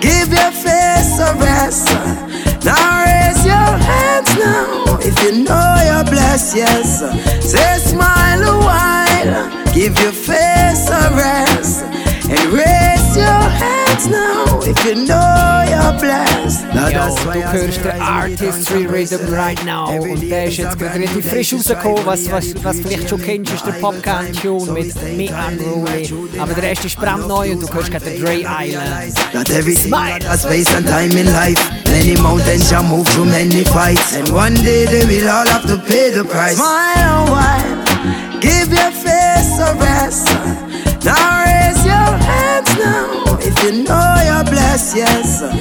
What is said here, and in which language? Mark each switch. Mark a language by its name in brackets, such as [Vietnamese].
[English] Give your face a rest. Now raise your hands now, if you know you're blessed, yes. Say smile a while. Give your face a rest. And raise your hands now, if you know you're blessed. [German] Yo, du hörst den Artistry Rhythm [English] right now. [German] Und der ist jetzt gerade richtig frisch rausgekommen. Was vielleicht schon kennst, ist der Popcorn Tune mit Me Unruly. Aber der Rest ist brandneu und du hörst gerade Dre Island. [English] Not everything has space and time in life. Many mountains shall move through many fights. And one day they will all have to pay the price. Smile a while, give your face a rest. Now raise your hands now, if you know you're blessed, yes.